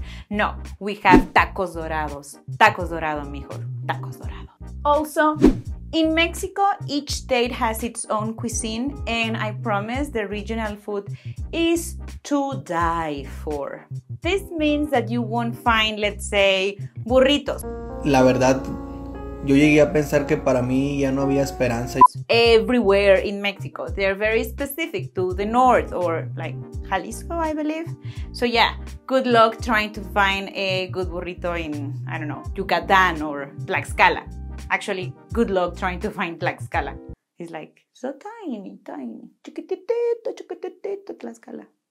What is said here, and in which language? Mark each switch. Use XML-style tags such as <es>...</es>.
<en>No, we have tacos dorados. Tacos dorado, mijo. Tacos dorado. Also, in Mexico, each state has its own cuisine, and I promise the regional food is to die for. This means that you won't find, let's say, burritos.</en> <es>La verdad, yo llegué a pensar que para mí ya no había esperanza.</es> <en>Everywhere in Mexico, they are very specific to the north or like Jalisco, I believe. So yeah, good luck trying to find a good burrito in, I don't know, Yucatan or Tlaxcala. Actually, good luck trying to find Tlaxcala. It's like so tiny, tiny,</en> <es>chiquitito, chiquitito,</es> <en>Tlaxcala.</en>